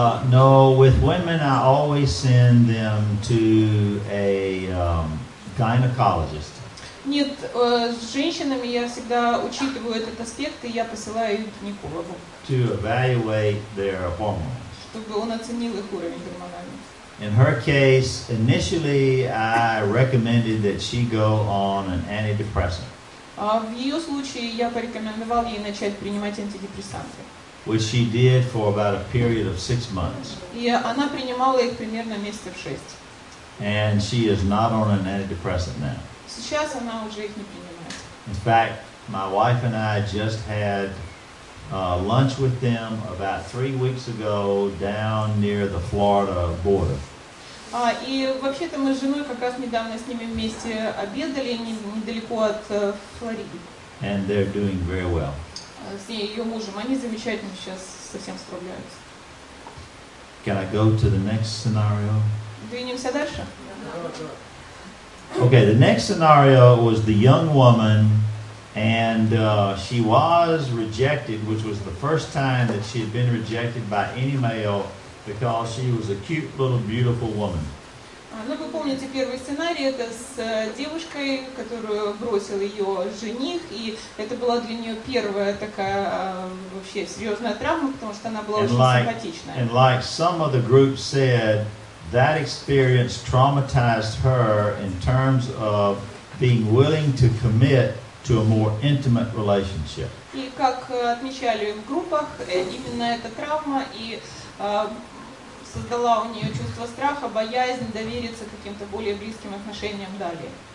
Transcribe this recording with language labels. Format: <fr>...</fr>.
<en>No, with women, I always send them to a gynecologist.</en> <ru>Нет, с женщинами я всегда учитываю этот аспект, и я посылаю их к гинекологу.</ru> <en>To evaluate their hormones.</en> <ru>Чтобы он оценил их уровень гормональный.</ru> <en>In her case, initially, I recommended that she go on an antidepressant.</en> <ru>В ее случае я порекомендовал ей начать принимать антидепрессанты.</ru> <en>Which she did for about a period of 6 months.</en> <ru>И она принимала их примерно месяцев 6.</ru> <en>And she is not on an antidepressant now.</en> <ru>Сейчас она уже их не принимает.</ru> <en>In fact, my wife and I just had lunch with them about 3 weeks ago down near the Florida border.</en> <ru>И вообще-то мы с женой как раз недавно с ними вместе обедали недалеко от Флориды.</ru> <en>And they're doing very well.</en> <ru>С ней, ее мужем. Они замечательно сейчас совсем справляются.</ru> <en>Can I go to the next scenario?</en> <ru>Двинемся дальше?</ru> <en>Okay, the next scenario was the young woman, and she was rejected, which was the first time that she had been rejected by any male, because she was a cute little beautiful woman.</en> <ru>Ну, вы помните первый сценарий, это с девушкой, которую бросил ее жених, и это была для нее первая такая вообще серьезная травма, потому что она была</ru> <en>and</en> <ru>очень</ru> <en>like,</en> <ru>симпатичная.</ru> <en>And like some of the group said, that experience traumatized her in terms of being willing to commit to a more intimate relationship.</en> <ru>И как отмечали в группах, именно эта травма и создала у нее чувство страха, боязнь довериться каким-то более близким отношениям далее.</ru>